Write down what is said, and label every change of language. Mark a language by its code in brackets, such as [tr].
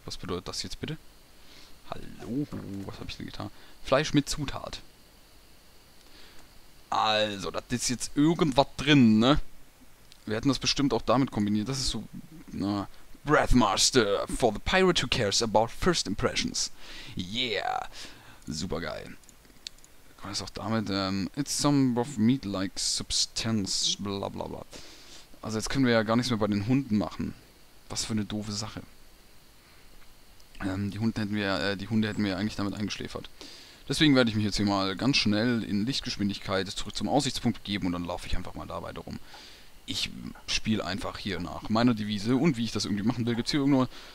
[de] Was bedeutet das jetzt bitte? Hallo, was habe ich denn getan? Fleisch mit Zutat. Also, das ist jetzt irgendwas drin, ne? Wir hätten das bestimmt auch damit kombiniert. Das ist so... Na. [en] Breathmaster, for the pirate who cares about first impressions. Yeah. [de] Supergeil. Kann man das auch damit... [en] it's some rough meat-like substance, bla bla bla. [de] Also jetzt können wir ja gar nichts mehr bei den Hunden machen. Was für eine doofe Sache. Die Hunde hätten wir eigentlich damit eingeschläfert. Deswegen werde ich mich jetzt hier mal ganz schnell in Lichtgeschwindigkeit zurück zum Aussichtspunkt geben und dann laufe ich einfach mal da weiter rum. Ich spiele einfach hier nach meiner Devise und wie ich das irgendwie machen will, gibt's hier irgendwo...